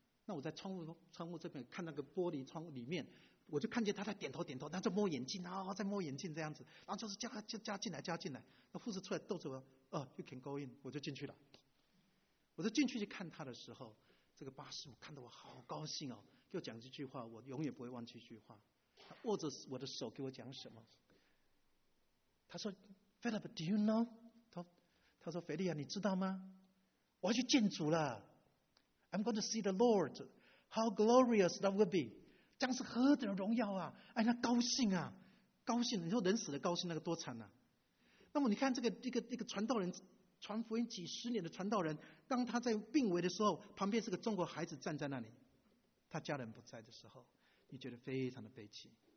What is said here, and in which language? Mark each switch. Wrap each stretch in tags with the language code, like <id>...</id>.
<zh>那我在窗户这边看那个玻璃窗里面，我就看见他在点头，然后在摸眼镜，然后在摸眼镜这样子，然后就是叫他进来。那护士出来逗着我，</zh> <en>you can go in，</en> <zh>我就进去了。我就进去去看他的时候，这个巴师母看得我好高兴哦，就讲这句话，我永远不会忘记一句话。他握着我的手给我讲什么？他说</zh> <en>，Philip， do you know？</en> <zh>他说，菲利亚，你知道吗？我要去见主了</zh> <en>，I'm going to see the Lord， how glorious that will be。</en> <zh>将是何等荣耀啊！哎，那高兴啊，高兴！你说人死了高兴，那个多惨啊！那么你看这个一个传道人，传福音几十年的传道人，当他在病危的时候，旁边是个中国孩子站在那里，他家人不在的时候，你觉得非常的悲戚。</zh>